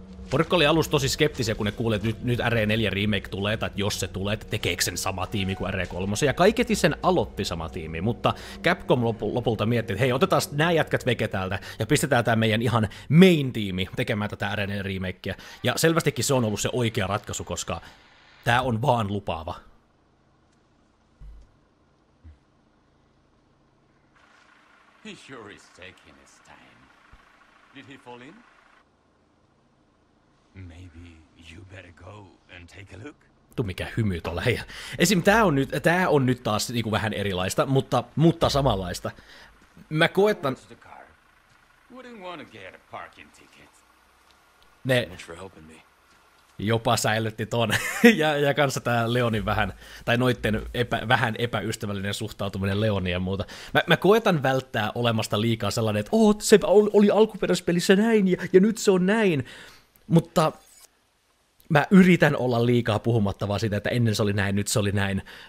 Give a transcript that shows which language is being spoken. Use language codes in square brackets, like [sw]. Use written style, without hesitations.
[fi] Porukka oli alussa tosi skeptisiä, kun ne kuulee, että nyt RE4 remake tulee, tai jos se tulee, että tekeekö sen sama tiimi kuin RE3. Ja kaiketi sen aloitti sama tiimi, mutta Capcom lopulta mietti, että hei, otetaan nämä jätkät veke täältä, ja pistetään tämä meidän ihan main tiimi tekemään tätä RE4 remakeä. Ja selvästikin se on ollut se oikea ratkaisu, koska tämä on vaan lupaava. [en] He sure is taking his time. Did he fall in? Maybe you better go and take a look. [fi] Tu mikä hymy tuolla hei. Esim tää on nyt taas niinku vähän erilaista, mutta samanlaista. Mä koetan. [en] Wouldn't want to get a parking ticket. [fi] Ne. [en] Thanks for helping me. [fi] Jopa säilytti ton ja kanssa tää Leonin vähän tai noitten vähän epäystävällinen suhtautuminen Leoniin ja muuta. Mä koetan välttää olemasta liikaa sellainen, että oot se oli alkuperäispelissä näin ja nyt se on näin. Mutta mä yritän olla liikaa puhumatta vaan siitä, että ennen se oli näin, nyt se oli näin.